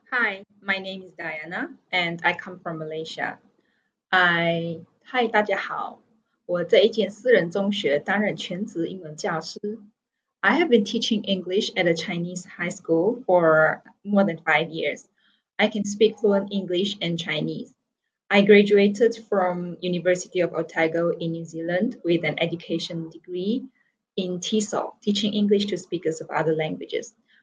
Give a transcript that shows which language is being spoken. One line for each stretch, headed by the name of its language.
English: Hi, my name is Diana, and I come from Malaysia.
Chinese: Hi, 大家好，我在一间私人中学担任全职英文教师。
English: I have been teaching English at a Chinese high school for more than 5 years. I can speak fluent English and Chinese. I graduated from University of Otago in New Zealand with an education degree in TESOL, teaching English to speakers of other languages.